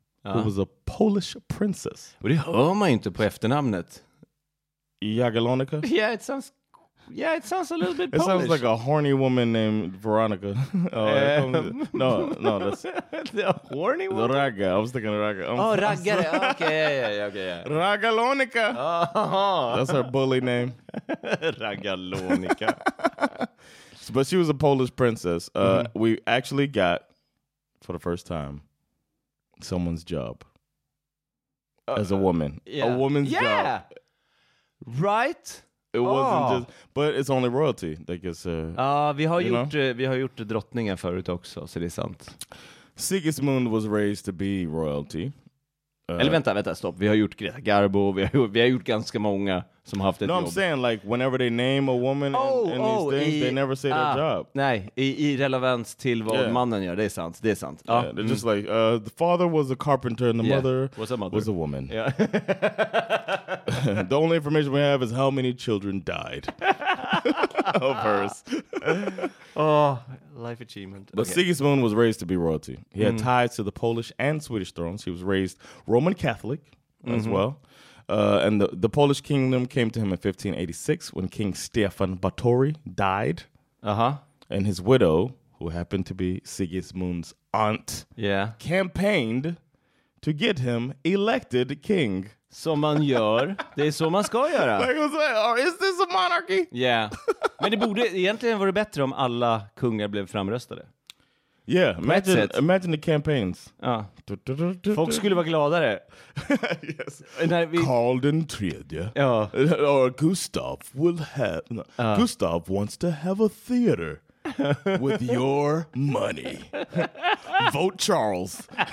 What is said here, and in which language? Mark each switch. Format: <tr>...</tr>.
<en>who was a Polish princess.</en> <sv>Och det hör man ju inte på efternamnet.</sv> <en>Jagiellonica? Yeah, it sounds... Yeah, it sounds a little bit it Polish. It sounds like a horny woman named Veronica. That's... A horny woman? Raga. I was thinking of Raga. Oh, Raga. Okay. Ragalonica. Oh. That's her bully name. Ragalonica. So, but she was a Polish princess. We actually got, for the first time, someone's job. As a woman. Yeah. A woman's job. Yeah. Right? It wasn't just, but it's only royalty, I guess.</en> <sv>Vi har gjort drottningen förut också, så det är sant.</sv> <en>Sigismund was raised to be royalty.</en> <sv>Eller vänta, stopp. Vi har gjort Greta Garbo, vi har gjort ganska många som har haft ett jobb.</sv> <en>No, I'm saying, like, whenever they name a woman in these things, they never say their job.</en> <sv>Nej, i relevans till vad mannen gör, det är sant.</sv> <en>Yeah, they're just like, the father was a carpenter and the mother was a woman. Yeah. The only information we have is how many children died of hers. Oh, life achievement. But Sigismund was raised to be royalty. He had ties to the Polish and Swedish thrones. He was raised Roman Catholic as well. And the Polish kingdom came to him in 1586 when King Stefan Batory died. Uh-huh. And his widow, who happened to be Sigismund's aunt, campaigned to get him elected king.</en> <sv>Som man gör. Det är så man ska göra.</sv> <en>Is this a monarchy? Yeah.</en> <sv>Men det borde egentligen vara bättre om alla kungar blev framröstade.</sv> <en>Yeah, imagine the campaigns.</en> <sv>Folk skulle vara gladare.</sv> <en>Yes.</en> <sv>Karl den tredje. Ja.</sv> <en>Or Gustav will have... Gustav wants to have a theater with your money. Vote Charles.</en>